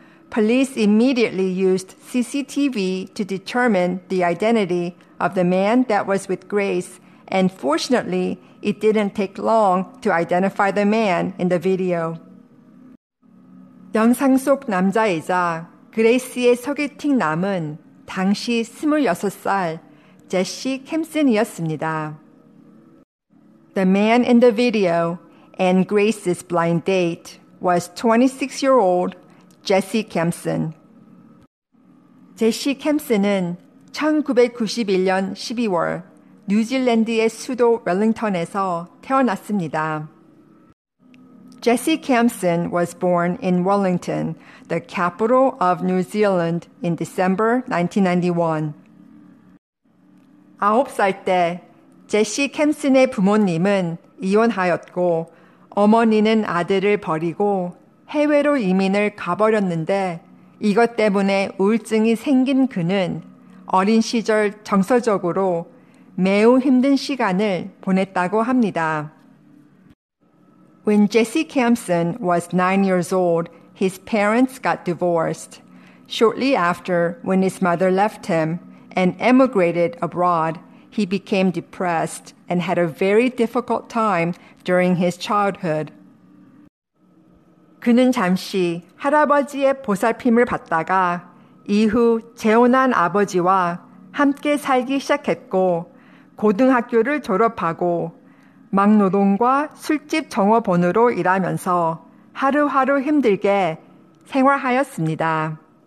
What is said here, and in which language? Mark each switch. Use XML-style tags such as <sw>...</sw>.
<en>Police immediately used CCTV to determine the identity of the man that was with Grace, and fortunately, it didn't take long to identify the man in the video.</en> <ko>영상 속 남자이자 그레이스의 소개팅 남은 당시 26살 제시 캠슨이었습니다.</ko> <en>The man in the video and Grace's blind date was 26-year-old Jesse Kempson.</en> <ko>제시 캠슨은 1991년 12월 뉴질랜드의 수도 웰링턴에서 태어났습니다.</ko> <en>Jesse Kempson was born in Wellington, the capital of New Zealand, in December 1991.</en> <ko>아홉 살 때 제시 캠슨의 부모님은 이혼하였고 어머니는 아들을 버리고 해외로 이민을 가버렸는데 이것 때문에 우울증이 생긴 그는 어린 시절 정서적으로 매우 힘든 시간을 보냈다고 합니다.</ko> <en>When Jesse Kempson was 9 years old, his parents got divorced. Shortly after, when his mother left him and emigrated abroad, he became depressed and had a very difficult time during his childhood.</en> <ko>그는 잠시 할아버지의 보살핌을 받다가 이후 재혼한 아버지와 함께 살기 시작했고 고등학교를 졸업하고 막노동과 술집 정업원으로 일하면서 하루하루 힘들게 생활하였습니다.</ko>